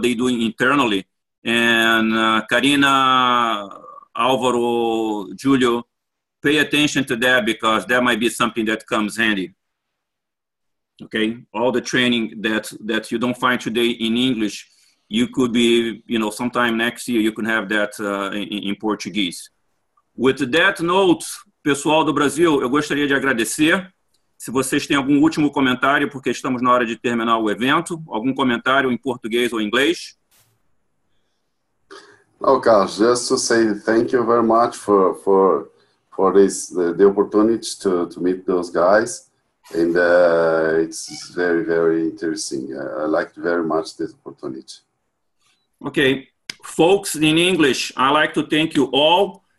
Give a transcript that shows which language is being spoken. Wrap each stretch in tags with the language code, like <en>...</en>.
<en>They do it internally, and Karina, Alvaro, Julio, pay attention to that because that might be something that comes handy. Okay, all the training that you don't find today in English, you could be sometime next year you can have that in Portuguese. With that note,</en> <pt>pessoal do Brasil, eu gostaria de agradecer. Se vocês têm algum último comentário, porque estamos na hora de terminar o evento, algum comentário em português ou inglês?</pt> <en>Oh, Carlos, just to say thank you very much for this the opportunity to meet those guys, and it's very very interesting. I liked very much this opportunity. Okay, folks, in English, I like to thank you all.</en>